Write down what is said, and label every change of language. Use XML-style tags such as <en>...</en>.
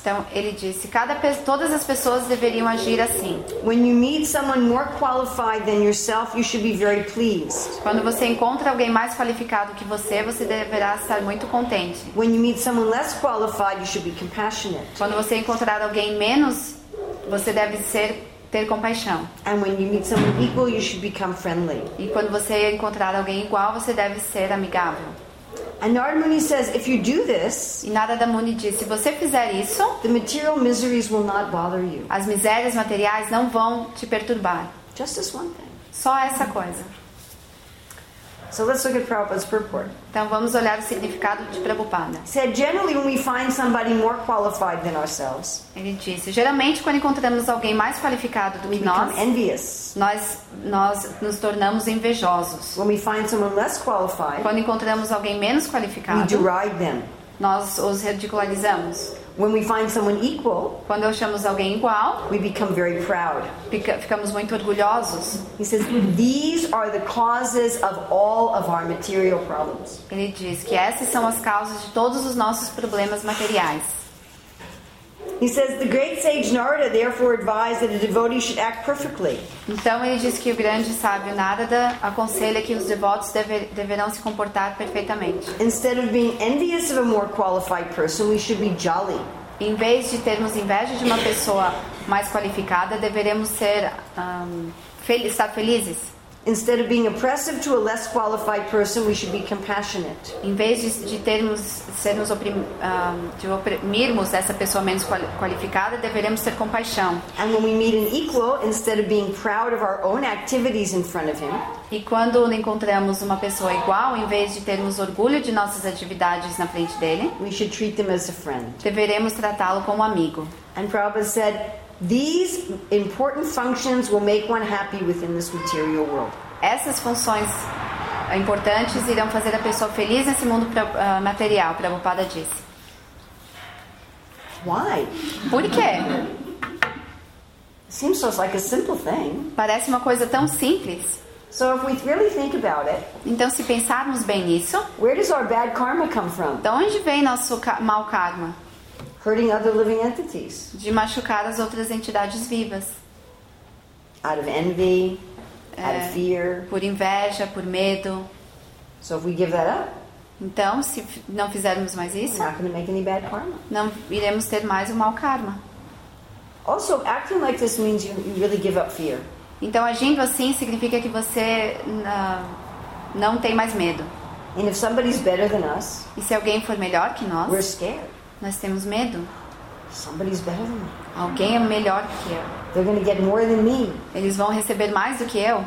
<pt>Então ele disse, todas as pessoas deveriam agir assim.</pt> <en>When you meet someone more qualified than yourself, you should be very pleased.</en> <pt>Quando você encontra alguém mais qualificado que você, você deverá estar muito contente.</pt> <en>When you meet someone less qualified, you should be compassionate.</en> <pt>Quando você encontrar alguém menos, você deve ser ter compaixão.</pt> <en>And when you meet someone equal, you should become friendly.</en> <pt>E quando você encontrar alguém igual, você deve ser amigável.</pt> <en>And Narada Muni says, if you do this,</en> <pt>e Narada Muni diz, se você fizer isso,</pt> <en>the material miseries will not bother you.</en> <pt>As misérias materiais não vão te perturbar.</pt> <en>Just this one thing.</en> <pt>Só essa coisa.</pt> <en>So let's look at Prabhupada's purport.</en> <pt>Então vamos olhar o significado de Prabhupada.</pt> <en>He said, generally when we find somebody more qualified than ourselves,</en> <pt>ele disse, geralmente quando encontramos alguém mais qualificado do que nós,</pt> <en>envious.</en> <pt>Nós nos tornamos invejosos.</pt> <en>When we find someone less qualified,</en> <pt>quando encontramos alguém menos qualificado,</pt> <en>we deride them.</en> <pt>Nós os ridicularizamos.</pt> <en>When we find someone equal,</en> <pt>quando achamos alguém igual,</pt> <en>we become very proud.</en> <pt>Ficamos muito orgulhosos.</pt> <en>He says these are the causes of all of our material problems.</en> <pt>Ele diz que essas são as causas de todos os nossos problemas materiais.</pt> <en>He says the great sage Narada therefore advised that a devotee should act perfectly.</en> <pt>Então ele diz que o grande sábio Narada aconselha que os devotos deverão se comportar perfeitamente.</pt> <en>Instead of being envious of a more qualified person, we should be jolly.</en> <pt>Em vez de termos inveja de uma pessoa mais qualificada, deveremos ser estar felizes.</pt> <en>Instead of being oppressive to a less qualified person, we should be compassionate.</en> <pt>Em vez de sermos de oprimirmos essa pessoa menos qualificada, deveremos ter compaixão.</pt> <en>And when we meet an equal, instead of being proud of our own activities in front of him,</en> <pt>e quando encontramos uma pessoa igual, em vez de termos orgulho de nossas atividades na frente dele,</pt> <en>we should treat them as a friend.</en> <pt>Deveremos tratá-lo como amigo.</pt> <en>And Prabhupada said, these important functions will make one happy within this material world.</en> <pt>Essas funções importantes irão fazer a pessoa feliz nesse mundo material, Prabhupada disse.</pt> <en>Why?</en> <pt>Por quê?</pt> <en>Seems so like a simple thing.</en> <pt>Parece uma coisa tão simples.</pt> <en>So if we really think about it,</en> <pt>então se pensarmos bem nisso,</pt> <en>where does our bad karma come from?</en> <pt>De onde vem nosso mau karma?</pt> <en>Hurting other living entities.</en> <pt>De machucar as outras entidades vivas.</pt> <en>Out of envy, out of fear.</en> <pt>Por inveja, por medo.</pt> <en>So if we give that up,</en> <pt>então, se não fizermos mais isso,</pt> <en>we're not going to make any bad karma.</en> <pt>Não iremos ter mais um mau karma.</pt> <en>Also, acting like this means you really give up fear.</en> <pt>Então, agindo assim significa que você não tem mais medo.</pt> <en>And if somebody's better than us,</en> <pt>e se alguém for melhor que nós,</pt> <en>we're scared.</en> <pt>Nós temos medo.</pt> <en>Somebody's better than me.</en> <pt>Alguém é melhor que eu.</pt> <en>They're gonna get more than me.</en> <pt>Eles vão receber mais do que eu.</pt>